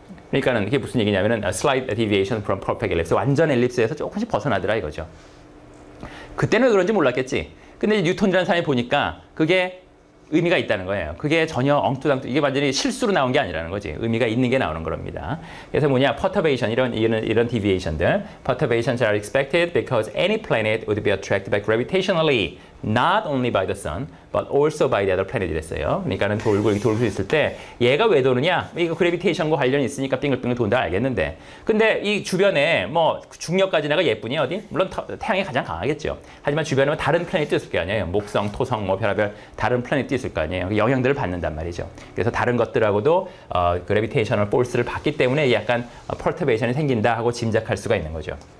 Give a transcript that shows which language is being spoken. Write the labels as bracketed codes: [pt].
[ko] 그러니까는 이게 무슨 얘기냐면은 [en] a slight deviation from perfect ellipse. [ko] 완전 엘립스에서 조금씩 벗어나더라 이거죠. 그때는 왜 그런지 몰랐겠지. 근데 뉴턴이라는 사람이 보니까 그게 의미가 있다는 거예요. 그게 전혀 엉뚱당뚱 이게 완전히 실수로 나온 게 아니라는 거지. 의미가 있는 게 나오는 겁니다. 그래서 뭐냐? perturbation 이런 deviation들. [en] perturbations are expected because any planet would be attracted by gravitationally not only by the sun but also by the other planet 이랬어요. [ko] 그러니까는 돌고 수 있을 때 얘가 왜 도느냐? 이거 그래비테이션과 관련이 있으니까 빙글빙글 돈다 알겠는데. 근데 이 주변에 뭐 중력까지 내가 예쁘니 어디? 물론 태양이 가장 강하겠죠. 하지만 주변에 뭐 다른 플래닛도 있을 게 아니에요. 목성, 토성 뭐 별의별 다른 플래닛도 있을 거 아니에요. 영향들을 받는단 말이죠. 그래서 다른 것들하고도 그래비테이션을 포스를 받기 때문에 약간 퍼터베이션이 생긴다 하고 짐작할 수가 있는 거죠.